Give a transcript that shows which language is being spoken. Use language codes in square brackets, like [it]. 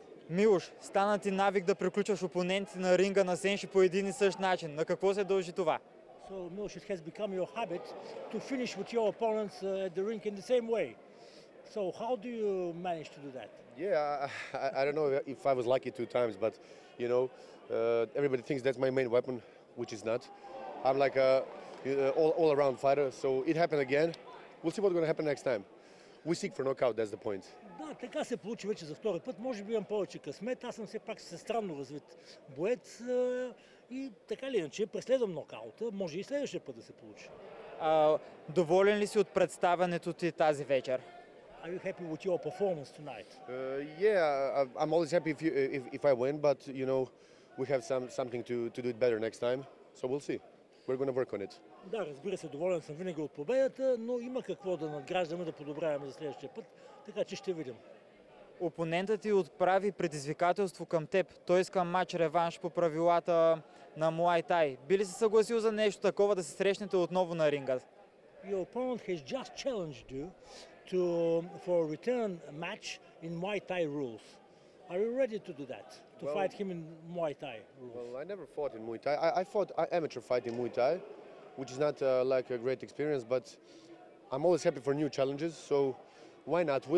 [bg] Милош, стана ти навик да приключваш опонентите на ринга на Сенши по един и същ начин. На какво се дължи това? [en] So, Milos, it has become your habit to finish with your opponents at the ring in the same way. So, how do you manage to do that? Yeah, I don't know if I was lucky two times, but, you know, everybody thinks that's my main weapon, which is not. I'm like a all-around fighter, so it happened again. We'll see what's going to happen next time. We seek for knockout, that's the point. [bg] Да, така се получи вече за втори път. Може би имам повече късмет. Аз съм все пак се странно развит боец. И така ли иначе, преследвам нокаута. Може и следващия път да се получи. Доволен ли си от представянето ти тази вечер? [en] Are you happy with your performance tonight? Yeah, I'm always happy if I win, but you know, we have something to do it better next time. So we'll see. We're going to work on it. [bg] Да, разбира се, доволен съм винаги от победата, но има какво да надграждаме, да подобряваме за следващия път, така че ще видим. Опонентът ти отправи предизвикателство към теб. Той иска мач-реванш по правилата на муай-тай. Би ли се съгласил за нещо такова да се срещнете отново на ринга? [en] Your opponent has just challenged you to for a return match in muay-thai rules. Are you ready to do that? To well, fight him in Muay Thai rules? Well, I never fought in Muay Thai. I fought amateur fight in Muay Thai, which is not like a great experience, but I'm always happy for new challenges, so why not?